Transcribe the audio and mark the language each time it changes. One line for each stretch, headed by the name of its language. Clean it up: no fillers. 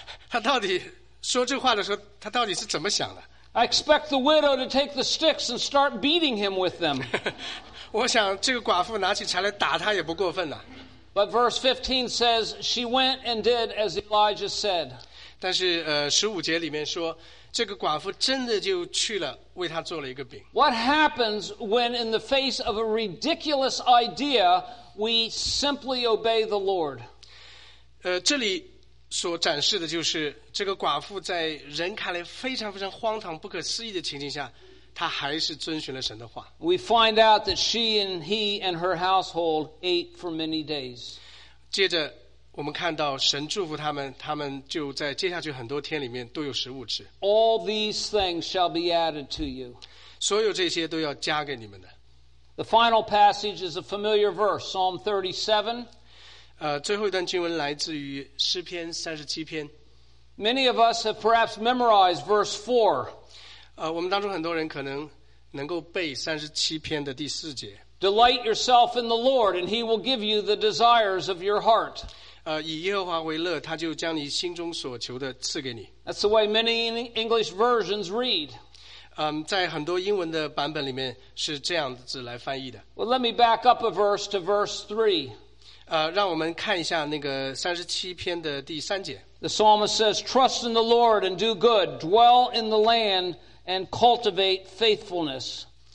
Chinese: 他到底说这话的时候，他到底是怎么想的
English: ？I expect the widow to take the sticks and start beating him with them.
Chinese: 我想这个寡妇拿起柴来打他也不过分了。
English: But verse 15 says she went and did as Elijah said.
Chinese: 但是十五节里面说。这个寡妇真的就去了，为他做了一个饼。
English: What happens when, in the face of a ridiculous idea, we simply obey the Lord?
Chinese: 这里所展示的就是这个寡妇在人看来非常非常荒唐、不可思议的情景下，她还是遵循了神的话。
English: We find out that she and he and her household ate for many days.
Chinese: 接着。我们看到神祝福他们，他们就在接下去很多天里面都有食物吃。
English: All these things shall be added to you.
Chinese: 所有这些都要加给你们的。
English: The final passage is a familiar verse, Psalm 37.
Chinese: 最后一段经文来自于诗篇三十七篇。
English: Many of us have perhaps memorized verse 4.
Chinese: 我们当中很多人可能能够背三十七篇的第四节。
English: Delight yourself in the Lord, and He will give you the desires of your heart.
Chinese: 以耶和华为乐，他就将你心中所求的赐给你。
English: That's the way many English versions read.
Chinese: 在很多英文的版本里面是这样子来翻译的。
English: Well, let me back up a verse to verse 3.
Chinese: 让我们看一下那个三十七篇的第三节。
English: The psalmist says, "Trust in the Lord and do good. Dwell in the land and cultivate faithfulness."